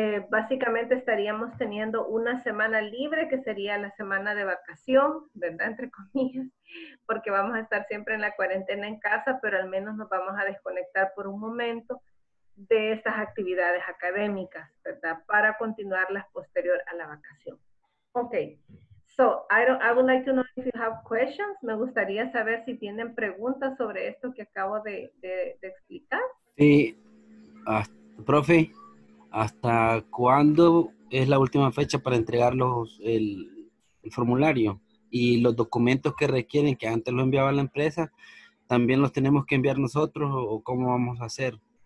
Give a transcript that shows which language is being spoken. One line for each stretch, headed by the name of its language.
Spanish: Básicamente estaríamos teniendo una semana libre, que sería la semana de vacación, ¿verdad? Entre comillas, porque vamos a estar siempre en la cuarentena en casa, pero al menos nos vamos a desconectar por un momento de estas actividades académicas, ¿verdad? Para continuarlas posterior a la vacación.
English: Ok, so I would like to know if you have questions.
Spanish: Me gustaría saber si tienen preguntas sobre esto que acabo de explicar. Sí, profe, ¿hasta cuándo es la última fecha para entregar el formulario? Y los documentos que requieren, que antes lo enviaba la empresa, ¿también los tenemos que enviar nosotros o cómo vamos a hacer?